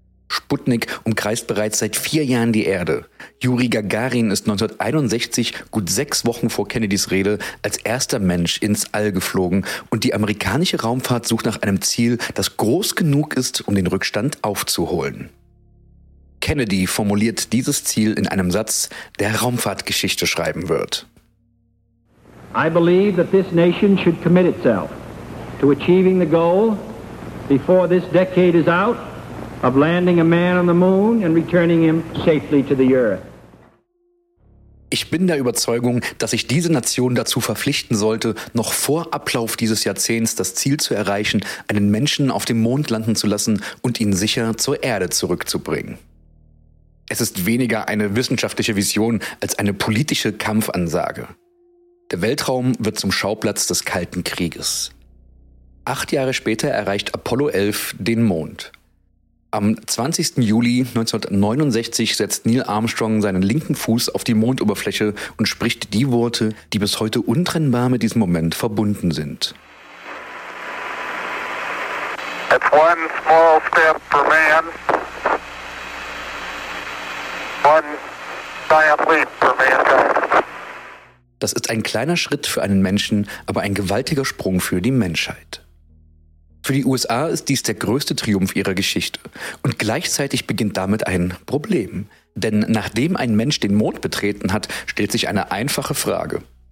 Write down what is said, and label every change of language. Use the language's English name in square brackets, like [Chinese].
[German] Sputnik umkreist bereits seit 4 Jahren die Erde. Juri Gagarin ist 1961, gut 6 Wochen vor Kennedys Rede, als erster Mensch ins All geflogen und die amerikanische Raumfahrt sucht nach einem Ziel, das groß genug ist, um den Rückstand aufzuholen. Kennedy formuliert dieses Ziel in einem Satz, der Raumfahrtgeschichte schreiben wird. [English] I believe that this nation should commit itself to achieving the goal before this decade is out of landing a man on the moon and returning him safely to the earth. [German] Ich bin der Überzeugung, dass sich diese Nation dazu verpflichten sollte, noch vor Ablauf dieses Jahrzehnts das Ziel zu erreichen, einen Menschen auf dem Mond landen zu lassen und ihn sicher zur Erde zurückzubringen. Es ist weniger eine wissenschaftliche Vision als eine politische Kampfansage. Der Weltraum wird zum Schauplatz des Kalten Krieges. 8 Jahre später erreicht Apollo 11 den Mond. Am 20. Juli 1969 setzt Neil Armstrong seinen linken Fuß auf die Mondoberfläche und spricht die Worte, die bis heute untrennbar mit diesem Moment verbunden sind. [English] It's one small step for man, one giant leap for mankind. [German] Das ist ein kleiner Schritt für einen Menschen, aber ein gewaltiger Sprung für die Menschheit. Für die USA ist dies der größte Triumph ihrer Geschichte. Und gleichzeitig beginnt damit ein Problem. Denn nachdem ein Mensch den Mond betreten hat, stellt sich eine einfache Frage.